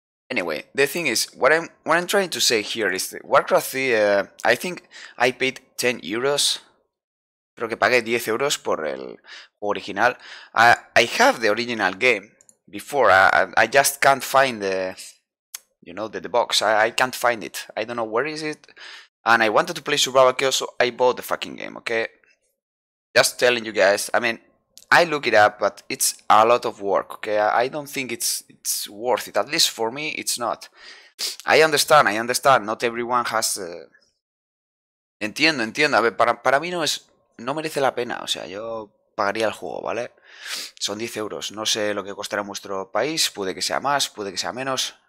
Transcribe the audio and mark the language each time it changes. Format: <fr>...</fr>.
<en>Anyway, the thing is, what I'm trying to say here is that Warcraft 3, I think I paid 10 euros.</en> <es>Creo que pagué 10 euros por el juego original.</es> <en>I have the original game before. I just can't find the box. I can't find it. I don't know where is it. And I wanted to play Survival Chaos, so I bought the fucking game, okay? Just telling you guys, I mean, I look it up, but it's a lot of work, okay? I don't think it's worth it. At least for me, it's not. I understand. Not everyone has.</en> <es>Entiendo, entiendo. A ver, para mí no merece la pena. O sea, yo pagaría el juego, ¿vale? Son 10 euros. No sé lo que costará en vuestro país. Puede que sea más, puede que sea menos.</es>